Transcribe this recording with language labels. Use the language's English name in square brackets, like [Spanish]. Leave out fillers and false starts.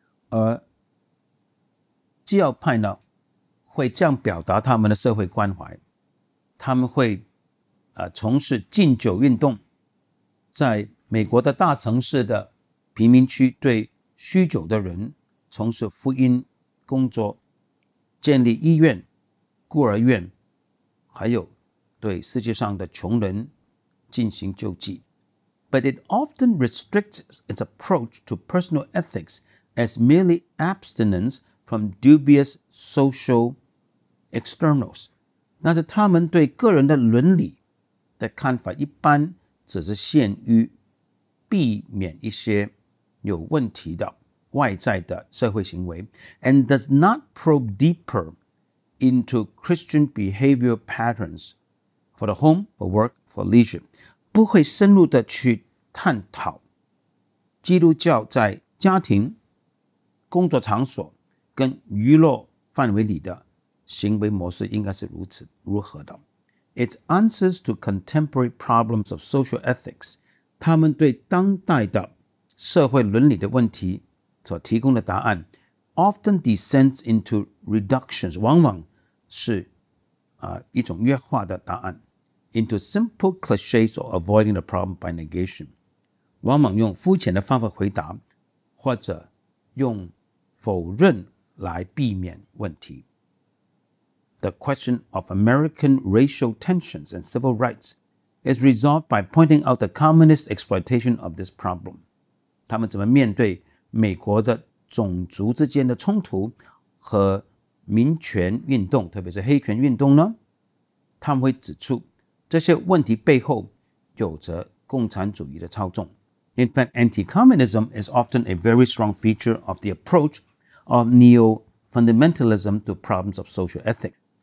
[Chinese] 而教派呢会这样表达他们的社会关怀他们会从事禁酒运动在美国的大城市的贫民区对酗酒的人从事福音工作建立医院孤儿院还有对世界上的穷人进行救济。 [English] But it often restricts its approach to personal ethics as merely abstinence from dubious social externals. [Chinese] 那是他们对个人的伦理的看法一般只是限于避免一些有问题的外在的社会行为 [English] and does not probe deeper into Christian behavior patterns for the home, for work, for leisure. [Chinese] 不会深入的去探讨基督教在家庭工作场所跟娱乐范围里的行为模式应该是如此如何的 [English] Its answers to contemporary problems of social ethics [Chinese] 他们对当代的社会伦理的问题所提供的答案 [English] often descends into reductions [Chinese] 往往是一种约化的答案 [English] into simple cliches or avoiding the problem by negation [Chinese] 往往用肤浅的方法回答或者用否认来避免问题。 [English] The question of American racial tensions and civil rights is resolved by pointing out the communist exploitation of this problem. [Chinese] 他们怎么面对美国的种族之间的冲突和民权运动特别是黑权运动呢他们会指出这些问题背后有着共产主义的操纵。 [English] In fact, anti-communism is often a very strong feature of the approach of neo-fundamentalism to problems of social ethics.